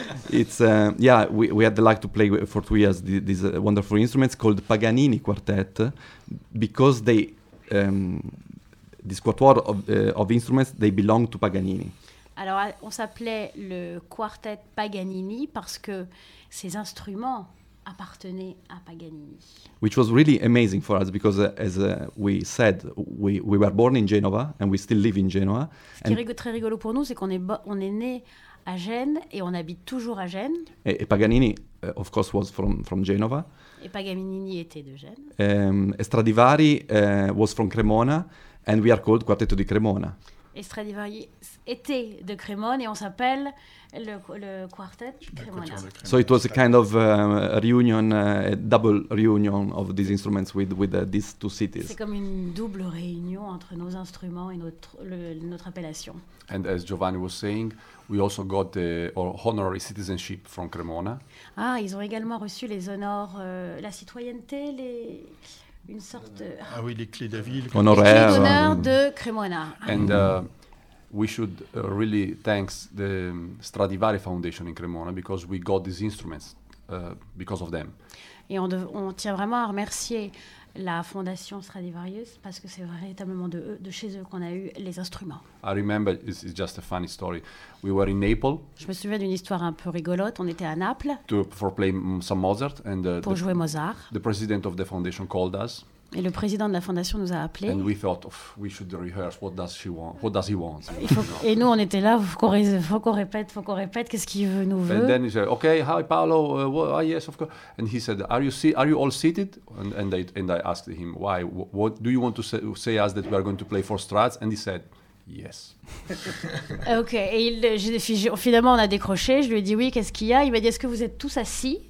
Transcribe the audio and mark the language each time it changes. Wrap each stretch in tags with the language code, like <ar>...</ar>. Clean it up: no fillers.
<en>it's we had the luck to play for 2 years these wonderful instruments called Paganini Quartet because they this quartet of instruments they belong to Paganini.</en> <fr>Alors, on s'appelait le quartet Paganini parce que ces instruments appartenaient à Paganini.</fr> <en>Which was really amazing for us because, as we said, we were born in Genova and we still live in Genova.</en> <fr>Ce qui est très rigolo pour nous, c'est qu'on est né à Gênes et on habite toujours à Gênes.</fr> <en>Et Paganini, of course, was from Genova.</en> <fr>Et Paganini était de Gênes.</fr> <en>Stradivari was from Cremona and we are called Quartetto di Cremona.</en> <fr>Et Stradivari était de Cremona et on s'appelle le quartet de Cremona.</fr> <en>So it was a kind of reunion, a double reunion of these instruments with these two cities.</en> <fr>C'est comme une double réunion entre nos instruments et notre appellation.</fr> <en>And as Giovanni was saying, we also got the honorary citizenship from Cremona.</en> <fr>Ah, ils ont également reçu les honneurs, la citoyenneté, une sorte de... Ah oui, les clés de la ville. Honoraire. Les clés d'honneur de Cremona.</fr> <en>And we should really thanks the Stradivari Foundation in Cremona because we got these instruments because of them.</en> <fr>Et on tient vraiment à remercier la Fondation Stradivarius parce que c'est véritablement de chez eux qu'on a eu les instruments.</fr> <en>I remember, it's just a funny story. We were in Naples.</en> <fr>Je me souviens d'une histoire un peu rigolote. On était à Naples.</fr> <en>For playing some Mozart and</en> <fr>pour jouer Mozart.</fr> <en>The president of the foundation called us.</en> <fr>Et le président de la fondation nous a appelés.</fr> <en>And we thought, we should rehearse. What does she want? What does he want?</en> <fr>Et nous, on était là. Faut qu'on répète. Qu'est-ce qu'il veut, nous veut?</fr> <en>And then he said, okay, hi, Paolo. Yes, of course. And he said, are you all seated? And I asked him, why? What do you want to say us that we are going to play for Strats? And he said, yes.</en> <fr>Ok, et finalement, on a décroché. Je lui ai dit, oui, qu'est-ce qu'il y a? Il m'a dit, est-ce que vous êtes tous assis?</fr>